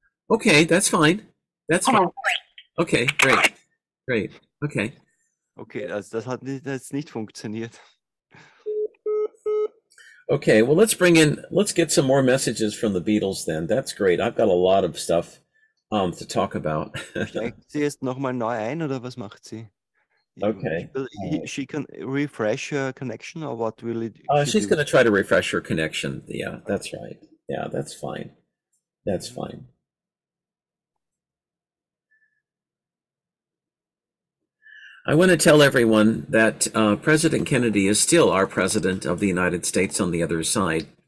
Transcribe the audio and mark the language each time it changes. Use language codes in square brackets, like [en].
[en] Okay, that's fine. That's fine. Okay, great. Great. Okay. [de] Okay, das hat nicht funktioniert. [en] Okay, well, let's get some more messages from the Beatles then. That's great. I've got a lot of stuff to talk about. [de] Steigt sie jetzt nochmal neu ein, oder was macht sie? [en] Okay. She can refresh her connection, or what will it She's going to try to refresh her connection. Yeah, that's right. Yeah, that's fine. That's fine. I want to tell everyone that President Kennedy is still our president of the United States on the other side.